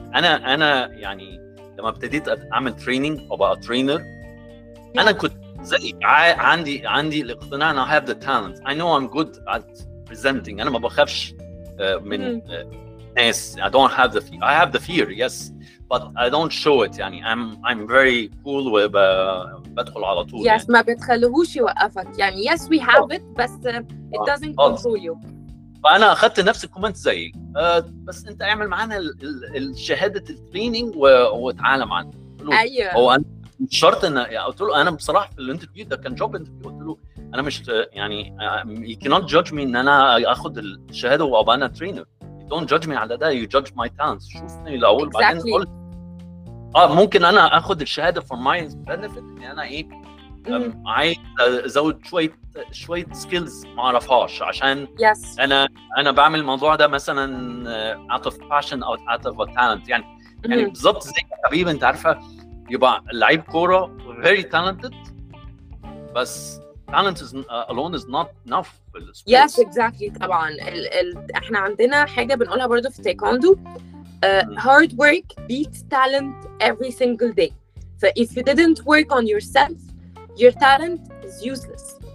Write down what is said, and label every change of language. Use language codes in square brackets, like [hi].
[ar] انا يعني لما ابتديت اعمل training وبقى trainer انا كنت زي عندي الاقتناع انا [en] have the talent, I know I'm good at presenting, [ar] انا ما بخافش من ناس. [en] I don't have the fear. I have the fear, yes, but I don't show it. [ar] يعني [en] I'm very cool with [ar] بدخل على طول. Yes, ما بتخليهوش يوقفك. [en] يعني yes we have it, بس it doesn't control you. [ar] فأنا أخذت نفس الكومنت زي بس أنت اعمل معانا الشهادة التريننج وتعلم عنه. أيوه. هو أنا شرط إن قلت له أنا بصراحة في الانترفيو ده كان جوب انترفيو, قلت له أنا مش يعني [en] you cannot judge me [ar] إن أنا أخذ الشهادة وأبقى أنا ترينر. [en] Don't judge me [ar] على ده, [en] you judge my talents. [ar] شوفني الأول exactly. بعدين قول ممكن أنا أخد الشهادة [en] for my benefit, [ar] يعني أنا إيه عايز أزود شوية skills ما أعرفهاش عشان [en] yes. [ar] أنا بعمل الموضوع ده مثلا [en] out of passion أو out of a talent. [ar] يعني يعني بالضبط زي حبيب, أنت عارفة يبقى لعيب كورة [en] very talented [ar] بس [en] talent is alone is not enough. Yes, exactly. [ar] طبعاً احنا عندنا حاجة بنقولها برضو في تايكوندو, [en] hard work beats talent every single day. So if you didn't work on yourself, your talent is useless.